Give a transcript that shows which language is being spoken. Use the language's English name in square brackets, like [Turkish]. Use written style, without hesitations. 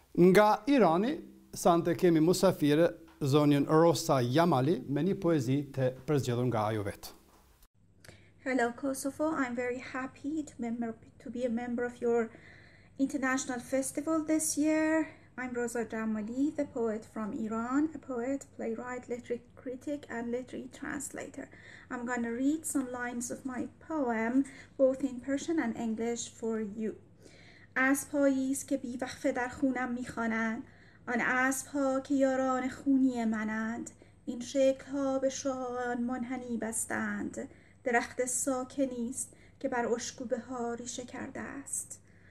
[Albanian] Nga Irani, sante kemi musafir zonjën Rosa Jamali me një poezi të përzgjedhur nga ajo vetë. [English] Hello Kosovo, I'm very happy to be a member of your international festival this year. I'm Rosa Jamali, the poet from Iran, a poet, playwright, literary critic and literary translator. I'm going to read some lines of my poem, both in Persian and English, for you. [Persian] از پاییز که بی وقفه در خونم می خوانند، آن اسب ها که یاران خونی منند، این شکل ها به شاهان منحنی بستند، درخت ساکنی است که بر اشکوبه ها ریشه کرده است.